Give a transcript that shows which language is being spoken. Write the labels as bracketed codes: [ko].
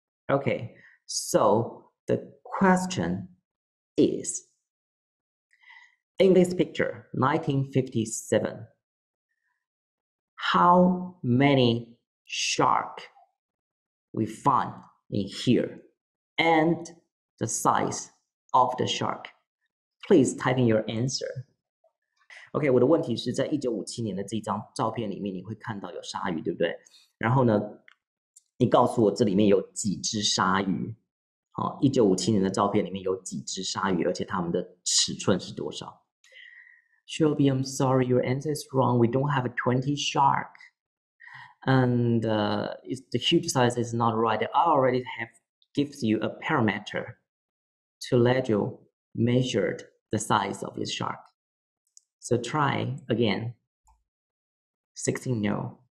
[en] Okay, so the question is, in this picture, 1957, how many shark we find in here and the size of the shark? Please type in your answer. [zh] OK, 我的问题是在1957年的这张照片里面你会看到有鲨鱼，对不对？然后呢，你告诉我这里面有几只鲨鱼，1957年的照片里面有几只鲨鱼，而且它们的尺寸是多少？ [en] Shelby, I'm sorry, your answer is wrong. We don't have a 20 shark. And it's, the huge size is not right. I already have gives you a parameter to let you measure the size of your shark. So try again. 16, no.